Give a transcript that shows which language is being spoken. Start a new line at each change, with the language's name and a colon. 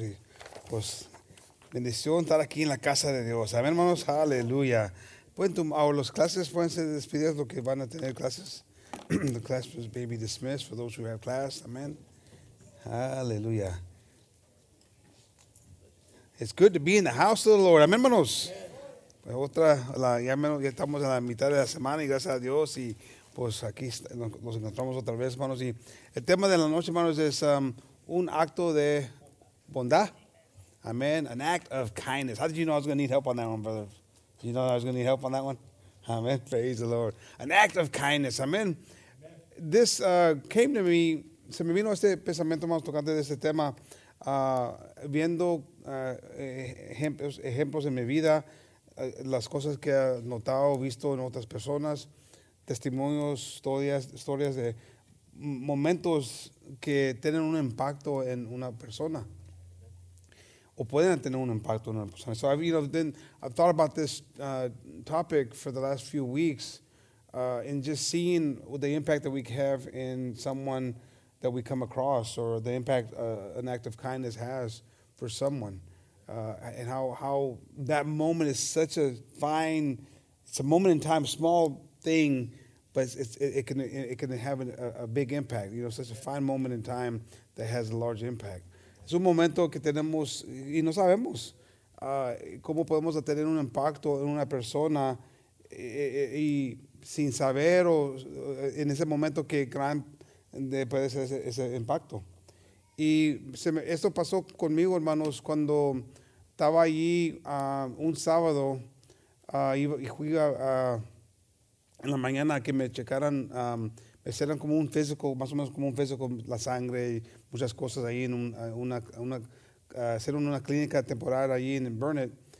Spanish: Y pues, bendición estar aquí en la casa de Dios. Amen, hermanos. Aleluya. Pueden tomar las clases. Pueden ser despedidas los que van a tener clases.
English: The class was maybe dismissed for those who have class. Amen. Aleluya. It's good to be in the house of the Lord.
Spanish: Amen, hermanos. Pues otra, ya estamos en la mitad de la semana y gracias a Dios y pues aquí nos encontramos otra vez, hermanos. Y el tema de la noche, hermanos, es un acto de bondad.
English: Amen. An act of kindness. How did you know I was going to need help on that one, brother? You know I was going to need help on that one? Amen. Praise the Lord. An act of kindness. Amen. Amen. This came to me,
Spanish: se me vino este pensamiento más tocante de este tema, viendo ejemplos en mi vida, las cosas que he notado, visto en otras personas, testimonios, historias de momentos que tienen un impacto en una persona o pueden tener un impacto en una persona.
English: So I've thought about this topic for the last few weeks in just seeing the impact that we have in someone that we come across or the impact an act of kindness has for someone. And how that moment is such a fine, it's a moment in time, small thing, but it can have a big impact. You know, such a fine moment in time that has a large impact.
Spanish: Es un momento que tenemos y no sabemos cómo podemos tener un impacto en una persona y sin saber o en ese momento que gran puede ser ese impacto. Y esto pasó conmigo, hermanos, cuando estaba allí un sábado y fui en la mañana que me checaran, me hicieron como un físico, más o menos como un físico, la sangre y muchas cosas ahí en una clínica temporal allí en Burnet.